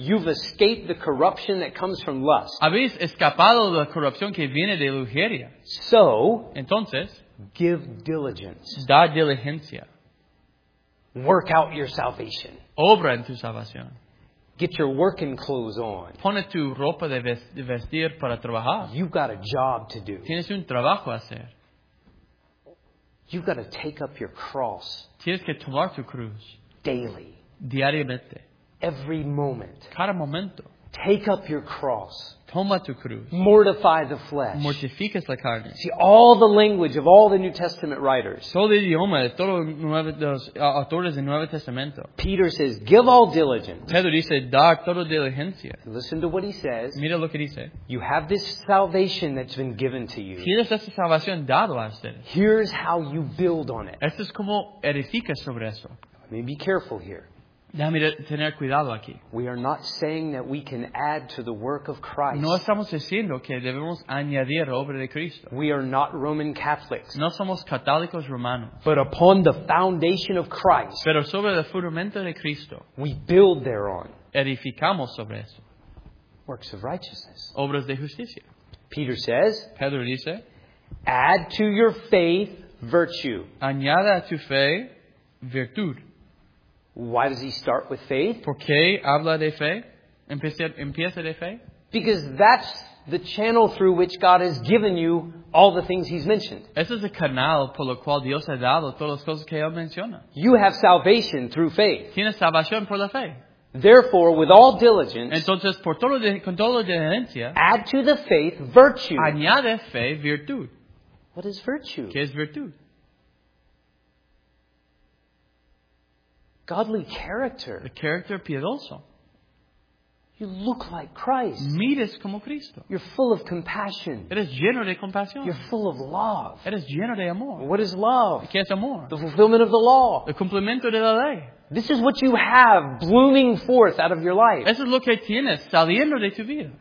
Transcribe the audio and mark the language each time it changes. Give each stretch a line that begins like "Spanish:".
English: You've escaped the corruption that comes from lust.
Spanish: Habéis escapado de la corrupción que viene de lujuria.
English: So,
Spanish: entonces,
English: give diligence.
Spanish: Da diligencia.
English: Work out your salvation.
Spanish: Obra en tu salvación.
English: Get your working clothes on.
Spanish: Pone tu ropa de vestir para trabajar.
English: You've got a job to do.
Spanish: Tienes un trabajo a hacer.
English: You've got to take up your cross.
Spanish: Tienes que tomar tu cruz.
English: Daily.
Spanish: Diariamente.
English: Every moment.
Spanish: Cada momento.
English: Take up your cross.
Spanish: Toma tu cruz.
English: Mortify the flesh.
Spanish: Mortificas la carne.
English: See, all the language of all the New Testament writers.
Spanish: Todo el idioma de todos los autores del Nuevo Testamento.
English: Peter says, give all diligence.
Spanish: Pedro dice, da toda diligencia.
English: Listen to what he says.
Spanish: Mira lo que dice.
English: You have this salvation that's been given to you.
Spanish: Tienes esta salvación dada a ustedes.
English: Here's how you build on it.
Spanish: Esto es como edificas sobre eso.
English: Let me be careful here.
Spanish: Déjame tener cuidado aquí.
English: We are not saying that we can add to the work of Christ.
Spanish: No estamos diciendo que debemos añadir obra de Cristo.
English: We are not Roman Catholics.
Spanish: No somos católicos romanos.
English: But upon the foundation of Christ.
Spanish: Pero sobre el fundamento de Cristo.
English: We build thereon.
Spanish: Edificamos sobre eso.
English: Works of righteousness.
Spanish: Obras de justicia.
English: Peter says.
Spanish: Pedro dice.
English: Add to your faith virtue.
Spanish: Añada a tu fe virtud.
English: Why does he start with faith?
Spanish: ¿Por qué habla de fe? ¿Empieza de fe?
English: Because that's the channel through which God has given you all the things He's mentioned.
Spanish: Ese es el canal por lo cual Dios ha dado todas las cosas que él menciona.
English: You have salvation through faith.
Spanish: Tienes salvación por la fe.
English: Therefore, with all diligence,
Spanish: entonces, por todo, con toda diligencia,
English: add to the faith virtue.
Spanish: Añade fe virtud.
English: What is virtue?
Spanish: ¿Qué es virtud?
English: Godly character. The character piedoso. You look like Christ.
Spanish: Mires como Cristo.
English: You're full of compassion.
Spanish: Eres lleno de compasión.
English: You're full of love.
Spanish: Eres lleno de amor.
English: What is love?
Spanish: ¿Qué es amor?
English: The fulfillment of the law.
Spanish: El cumplimiento de la ley.
English: This is what you have blooming forth out of your life.
Spanish: Eso es lo que tienes saliendo de tu vida.